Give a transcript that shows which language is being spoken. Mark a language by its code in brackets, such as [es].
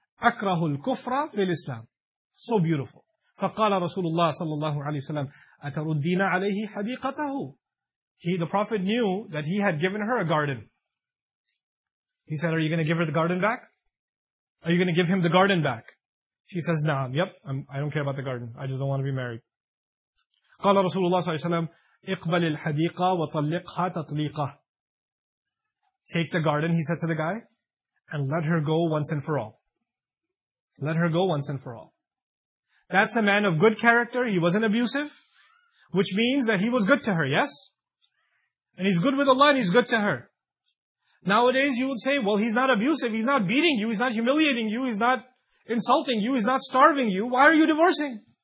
[ar] أَكْرَهُ الْكُفْرَ فِي الْإِسْلَامِ. [en] So beautiful. [ar] فَقَالَ رَسُولُ اللَّهِ صَلَّى اللَّهُ عَلَيْهِ وَسَلَّمَ أَتَرُدِّينَ عَلَيْهِ حَدِيقَتَهُ. [en] The Prophet knew that he had given her a garden. He said, are you going to give her the garden back? Are you going to give him the garden back? She says, nah, yep, I don't care about the garden. I just don't want to be married. [ar] قال رسول الله صلى الله عليه وسلم اقبل الحديقة وطلقها تطليقة. [en] Take the garden, he said to the guy, and let her go once and for all. Let her go once and for all. That's a man of good character. He wasn't abusive, which means that he was good to her, yes? And he's good with Allah and he's good to her. Nowadays you would say, well, he's not abusive, he's not beating you, he's not humiliating you, he's not insulting you, he's not starving you, why are you divorcing?